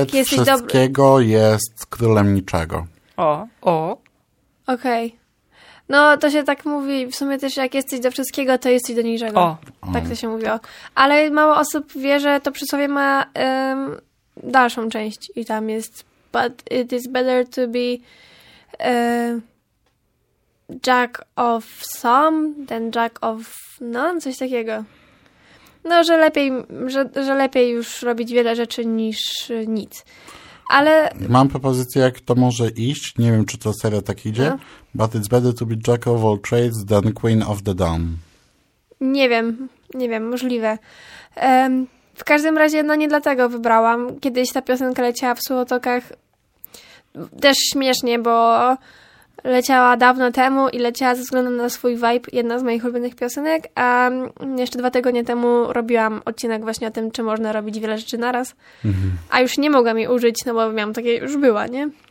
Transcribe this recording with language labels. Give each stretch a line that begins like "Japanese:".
Polish: jak jesteś wszystkiego dobry. Jest królem niczego. O. Okej. Okay. No, to się tak mówi. W sumie też jak jesteś do wszystkiego, to jesteś do niczego. O. Tak to się mówiło. Ale mało osób wie, że to przysłowie ma dalszą część. I tam jest
English: but it is better to be jack of some than jack of none.
Polish: Coś takiego. No, że lepiej już robić wiele rzeczy niż nic. Ale mam propozycję, jak to może iść. Nie wiem, czy to serio tak idzie. No.
English: But it's better to be jack of all trades than queen of the dumb.
Polish: Nie wiem, możliwe. W każdym razie, no nie dlatego wybrałam. Kiedyś ta piosenka leciała w Słowotokach. Też śmiesznie, bo leciała dawno temu i leciała ze względu na swój vibe, jedna z moich ulubionych piosenek, a jeszcze 2 tygodnie temu robiłam odcinek właśnie o tym, czy można robić wiele rzeczy naraz, a już nie mogłam jej użyć, no bo miałam takie, już była, nie?